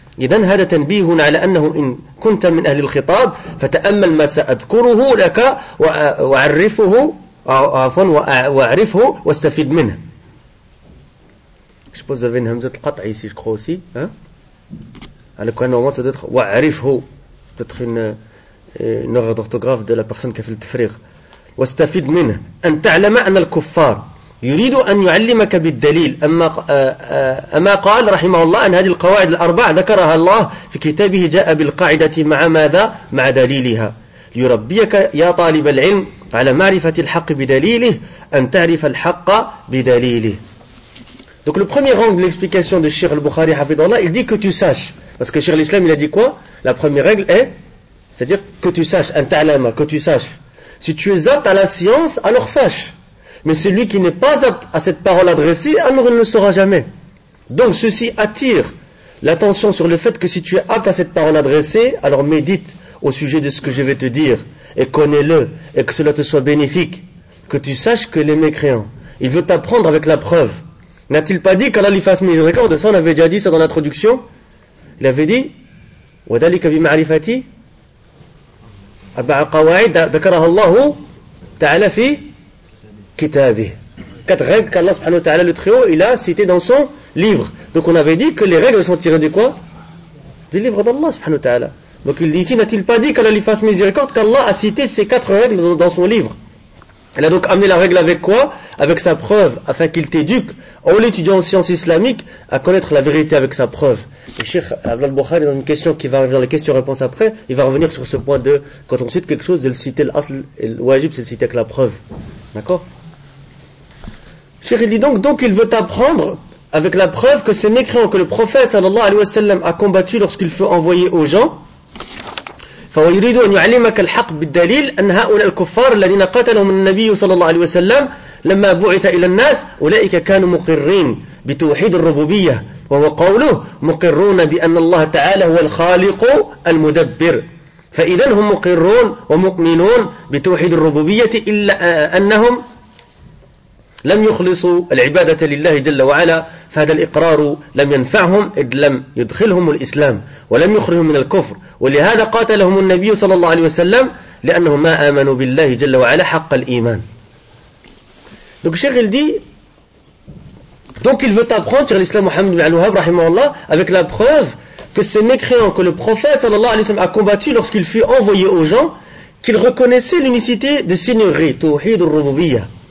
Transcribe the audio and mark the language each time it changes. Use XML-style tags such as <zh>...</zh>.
<ar>إذن هذا تنبيه على أنه إن كنت من أهل الخطاب فتأمل ما سأذكره لك وأعرفه وأعرفه واستفيد منه.</ar> <fr>Je pose une hamza de قطع ici, je crois aussi. Alors qu'en normalement, c'est peut-être وأعرفه, peut-être une erreur d'orthographe de la personne qui a fait le tafriq.</fr> <ar>واستفيد منه أن تعلم أن الكفار يريد أن يعلمك بالدليل. أما قال رحمه الله أن هذه القواعد الأربع ذكرها الله في كتابه, جاء بالقاعدة مع ماذا؟ مع دليلها. ليربيك يا طالب العلم على معرفة الحق بدليله, أن تعرف الحق بدليله.</ar> <fr>Donc le premier angle de l'explication de Cheikh al-Bukhari hafidhahullah, il dit que tu saches. Parce que Cheikh l'Islam, il a dit quoi? La première règle est, c'est-à-dire que tu saches,</fr> <ar>أن تعلم,</ar> <fr>que tu saches. Si tu es apte à la science, alors sache. Mais celui qui n'est pas apte à cette parole adressée, alors il ne le saura jamais. Donc ceci attire l'attention sur le fait que si tu es apte à cette parole adressée, alors médite au sujet de ce que je vais te dire et connais-le, et que cela te soit bénéfique. Que tu saches que les mécréants, ils veulent t'apprendre avec la preuve. N'a-t-il pas dit qu'Allah lui fasse miséricorde? Ça, on avait déjà dit ça dans l'introduction. Il avait dit</fr> <ar>« وَدَلِكَ بِمَعْرِفَتِي أَبَعَ قَوَعِدَ ذَكَرَهَ اللَّهُ تَعَلَى فِي كتابه.</ar> <fr>Quatre règles qu'Allah subhanahu wa ta'ala, le Très-Haut, il a cité dans son livre. Donc on avait dit que les règles sont tirées de quoi? Du livre d'Allah subhanahu wa ta'ala. Donc il dit ici, n'a-t-il pas dit qu'Allah lui fasse miséricorde qu'Allah a cité ces quatre règles dans son livre? Il a donc amené la règle avec quoi? Avec sa preuve, afin qu'il t'éduque, ou l'étudiant en sciences islamiques, à connaître la vérité avec sa preuve. Et Cheikh Abdullah al-Bukhari, dans une question qui va revenir dans les questions-réponses après, il va revenir sur ce point de, quand on cite quelque chose, de le citer l'asl, et le wajib, c'est de le citer avec la preuve. D'accord? Cheikh, il dit donc il veut t'apprendre avec la preuve que ces mécréants que le prophète sallallahu alayhi wa sallam a combattu lorsqu'il fut envoyé aux gens.</fr> <ar>فَوَيُرِيدُ أَنْ يُعْلِمَكَ الْحَقِّ بِالدَّلِيلِ أَنْ هَؤُلَاءِ الْكُفَّارِ الَّذِينَ قَتَلَهُمُ النَّبِيُّ صَلَى اللَّهُ عَلَيْهِ وَسَلَّمَ لَمَّا بُعِثَ إِلَى النَّاسِ أُولَئِكَ كَانُوا مُقِرِّينَ بِتَوْحِيدِ الرُّبُوبِيَّةِ وَهُوَ قَوْلُهُ مُقِرُّونَ بِأَنَّ اللَّهَ تَعَالَى هُوَ الْخَالِقُ الْمُدَبِّرُ فَإِذَا هُمْ مُقِرُّونَ وَمُؤْمِنُونَ بِتَوْحِيدِ الرُّبُوبِيَّةِ إِلَّا أَنَّهُمْ لم يخلصوا العبادة لله جل وعلا فهذا الإقرار لم ينفعهم إذ لم يدخلهم الإسلام ولم يخرجهم من الكفر ولهذا قاتلهم النبي صلى الله عليه وسلم لأنهم ما آمنوا بالله جل وعلا حق الإيمان.</ar> <fr>Donc Cheikh il dit, donc il veut apprendre sur l'islam Mohammed bin Al-Wahhab rahimahullah avec la preuve que ces mécréants que le prophète</fr> <ar>صلى الله عليه وسلم</ar> <fr>a combattu lorsqu'il fut envoyé aux gens qu'il reconnaissait l'unicité de seigneurie Tawhid al-Rububiyyah.</fr>